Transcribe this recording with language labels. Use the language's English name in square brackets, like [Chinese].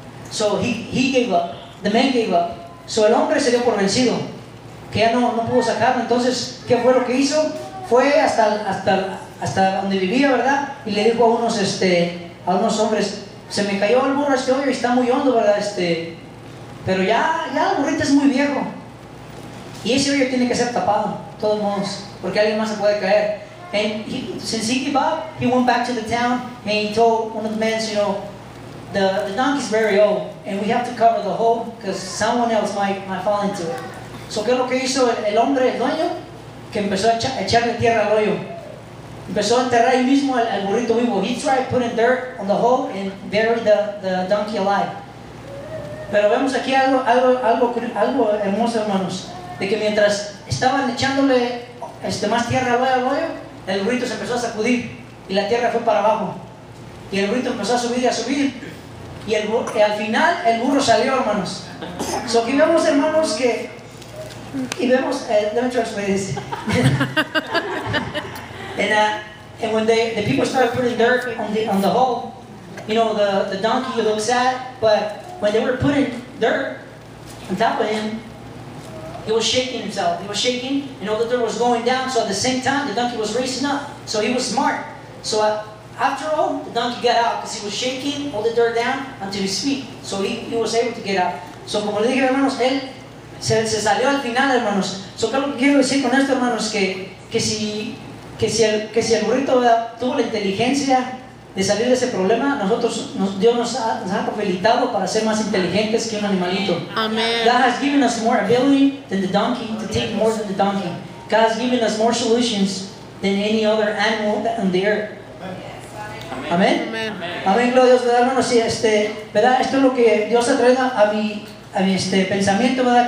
[English] So he gave up. The man gave up. [Spanish] So el hombre se dio por vencido, que ya no pudo sacarlo. Entonces, ¿qué fue lo que hizo? Fue hasta donde vivía, ¿verdad? Y le dijo a unos hombres, se me cayó el burro este hoyo y está muy hondo, ¿verdad? Pero ya el burrito es muy viejo. Y ese hoyo tiene que ser tapado, de todos modos, porque alguien más se puede caer. [English] And since he gave up, he went back to the town and he told one of the men, you know, the donkey's very old and we have to cover the hole because someone else might fall into it. [Spanish] So ¿qué es lo que hizo el hombre, el dueño? Que empezó a echarle tierra al hoyo. Empezó a enterrar ahí mismo al burrito vivo. [English] He tried putting dirt on the hole and buried the donkey alive. [Spanish] Pero vemos aquí algo hermoso, hermanos, de que mientras estaban echándole más tierra al hoyo, el burrito se empezó a sacudir y la tierra fue para abajo. Y el burrito empezó a subir y a subir. Y al final el burro salió, hermanos. So aquí vemos, hermanos, que... Y vemos... [English] Let me try to explain this. And when the people started putting dirt on the hole, you know, the donkey looked sad, but when they were putting dirt on top of him, he was shaking himself. He was shaking, you know, the dirt was going down, so at the same time, the donkey was racing up. So he was smart. So after all, the donkey got out because he was shaking all the dirt down onto his feet. So he was able to get out. [Spanish] So como le dije, hermanos, él se salió al final, hermanos. So que lo que quiero decir con esto, hermanos, que si el burrito, ¿verdad?, tuvo la inteligencia de salir de ese problema, Dios nos ha capacitado para ser más inteligentes que un animalito. Amen. [English] God has given us more ability than the donkey to take more than the donkey. God has given us more solutions than any other animal on the earth. [Spanish] Amén. Amén, gloria a Dios, ¿verdad, hermanos? Sí, ¿verdad? Esto es lo que Dios ha traído a mi pensamiento, ¿verdad?